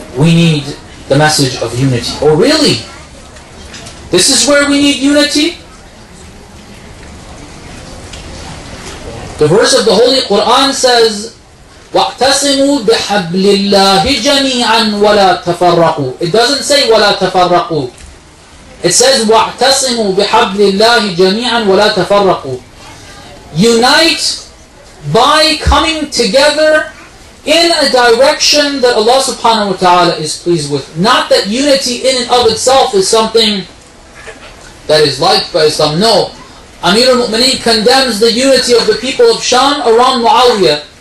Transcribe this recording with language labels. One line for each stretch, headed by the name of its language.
English: We need the message of unity. Oh, really? This is where we need unity? The verse of the Holy Quran says,
Arabic: وَاَقْتَسِمُوا بِحَبْلِ اللَّهِ جَمِيعًا وَلَا تَفَرَّقُوا.
English: It doesn't say
Arabic: وَلَا تَفَرَّقُوا.
English: It says
Arabic: وَاَقْتَسِمُوا بِحَبْلِ اللَّهِ جَمِيعًا وَلَا تَفَرَّقُوا.
English: Unite by coming together in a direction that Allah subhanahu wa ta'ala is pleased with. Not that unity in and of itself is something that is liked by some. No. Amir al-Mu'mineen condemns the unity of the people of Sham around Muawiyah.